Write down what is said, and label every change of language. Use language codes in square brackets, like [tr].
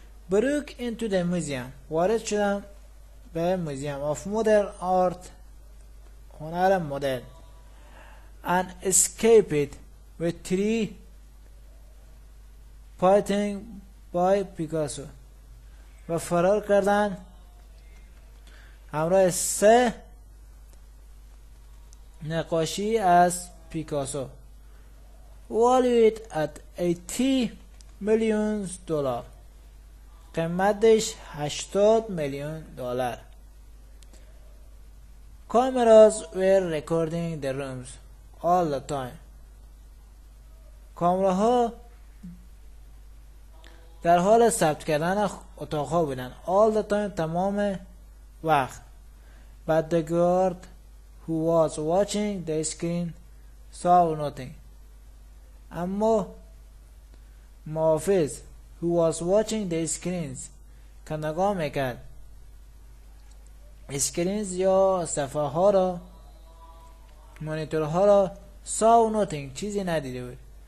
[en] broke into the museum [fa] وارد شدن به موزیم [en] of modern art [fa] هنر مدرن [en] and escaped with three painting by Picasso [fa] و فرار کردن همراه سه نقاشی از پیکاسو [en] valued at 80 million dollars [fa] قیمتش 80 میلیون دلار. [en] Cameras were recording the rooms all the time. [fa] کامراها در حال ثبت کردن اتاق‌ها بودند. [en] All the time [fa] تمام وقت. [en] But the guard who was watching the screen saw nothing. [fa] اما محافظ [en] who was watching the screens [fa] که نگاه میکرد اسکرینز یا صفحه ها را مانیتور ها را [en] saw nothing [fa] چیزی ندیده بود.